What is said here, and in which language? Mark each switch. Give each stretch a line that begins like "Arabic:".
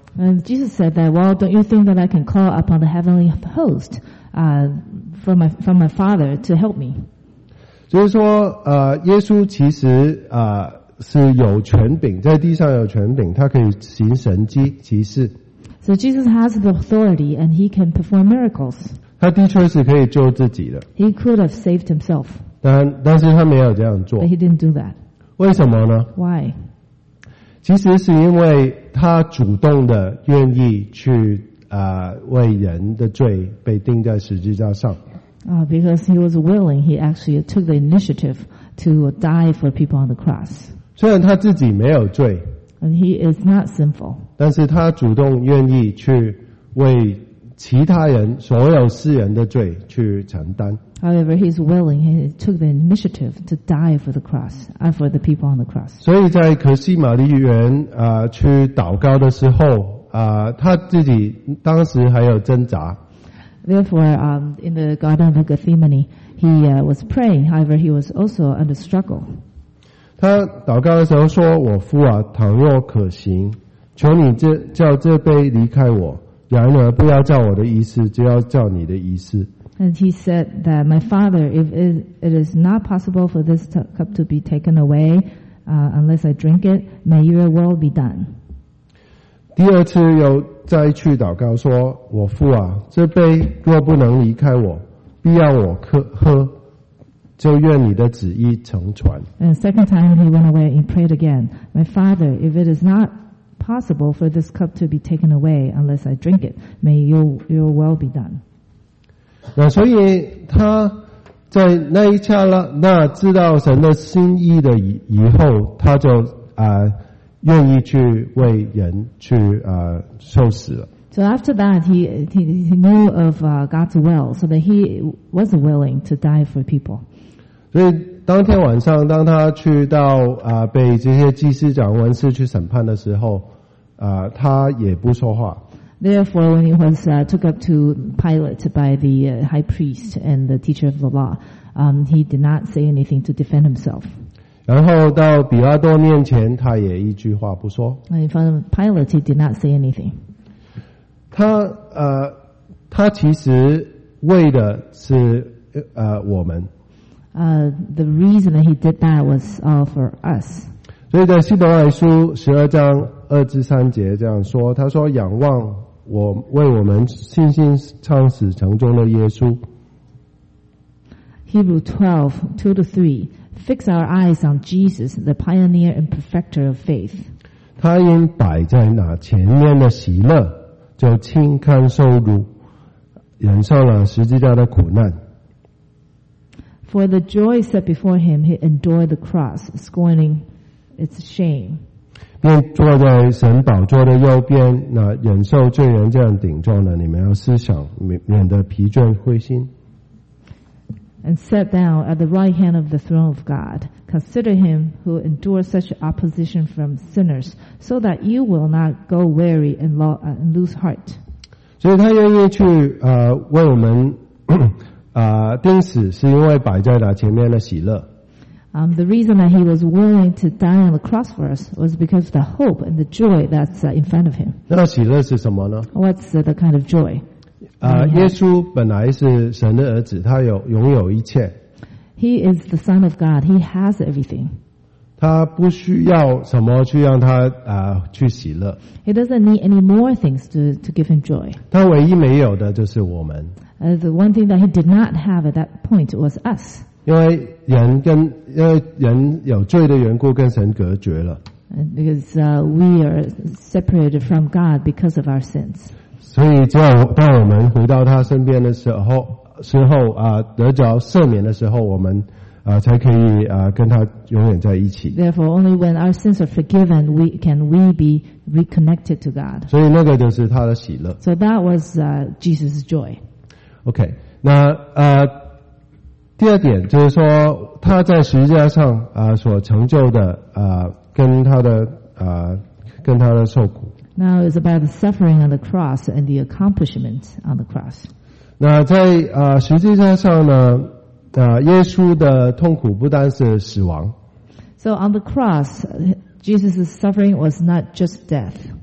English: And Jesus said that, well, don't you think that I can call upon the heavenly host from my father to help me.
Chinese: 就是说，耶稣其实是有权柄，在地上有权柄，他可以行神迹奇事。
English: So Jesus has the authority and he can perform miracles.
Chinese: 他的确是可以救自己的。
English: He could have saved himself.
Chinese: 但是他没有这样做。
English: But he didn't do that.
Chinese: 为什么呢
English: ？Why？
Chinese: 其实是因为他主动的愿意去为人的罪被钉在十字架上。
English: Because he was willing, he actually took the initiative to die for people on the cross.
Chinese: 虽然他自己没有罪。
English: And he is not sinful.
Chinese: 但是他主动愿意去为其他人所有世人的罪去承担。
English: However, he is willing. He took the initiative to die for the cross and for the people on the cross.
Chinese: 所以在可西马利园去祷告的时候他自己当时还有挣扎。
English: Therefore, in the Garden of Gethsemane, he was praying. However, he was also under struggle.
Chinese: 他祷告的时候说我父啊倘若可行求你叫这杯离开我然而不要叫我的意思就要叫你的意思
English: And he said that my father if it is not possible for this cup to be taken away unless I drink it may your will be done
Chinese: 第二次又再去祷告说我父啊这杯若不能离开我必要我喝就愿你的旨意成全。
English: And second time he went away and prayed again. My father, if it is not possible for this cup to be taken away unless I drink it, may your will be done.
Chinese: 那所以他在那一刹那，那知道神的心意的以后，他就愿意去为人去受死了。
English: So after that, he knew of God's will, so that he was willing to die for people.
Chinese: 所以当天晚上当他去到被这些祭司长文士去审判的时候他也不说话。
English: Therefore, when he was took up to Pilate by the high priest and the teacher of the law, he did not say anything to defend himself.
Chinese: 然后到比拉多面前他也一句话不说。
English: In front of Pilate, he did not say anything.
Chinese: 他其实为的是我们。
English: The reason that he did that was for us.
Chinese: 所以在希伯来书十二章二至三节这样说，他说：“仰望我为我们信心创始成终的耶稣。”
English: Hebrews 12:2-3, fix our eyes on Jesus, the pioneer and perfecter of faith.
Chinese: 他因摆在那前面的喜乐，就轻看受辱，忍受了十字架的苦难。
English: For the joy set before him, he endured the cross, scorning its shame.
Chinese: 便坐在神宝座的右边，那忍受罪人这样顶撞呢？你们要思想，免得疲倦灰心。
English: And sat down at the right hand of the throne of God. Consider him who endured such opposition from sinners, so that you will not go weary and lose heart.
Chinese: 所以他愿意去为我们。钉死是因为摆在他前面的喜乐。
English: The reason that he was willing to die on the cross for us was because of the hope and the joy that's in front of him.
Chinese: 那喜乐是什么呢
English: ？What's the kind of joy?
Chinese: 耶稣本来是神的儿子，他有拥有一切。
English: He is the Son of God. He has everything.
Chinese: 他不需要什么去让他去喜乐。
English: He doesn't need any more things to give him joy.
Chinese: 他唯一没有的就是我们。
English: The one thing that he did not have at that point was us.
Chinese: 因为人有罪的缘故跟神隔绝了。
English: Because we are separated from God because of our sins.
Chinese: 所以只有当我们回到他身边的时候得着赦免的时候我们才可以跟他永远在一起。
English: Therefore, only when our sins are forgiven, can we be reconnected to God.
Chinese: 所以那个就是他的喜乐。
English: So that was Jesus' joy.
Chinese: OK, 那第二点就是说他在十字架上所成就的跟他的受苦。
English: Now it's about the suffering on the cross and the accomplishment on the cross.
Chinese: 那在十字架上呢耶稣的痛苦不单是死亡。
English: So on the cross, Jesus' suffering was not just death.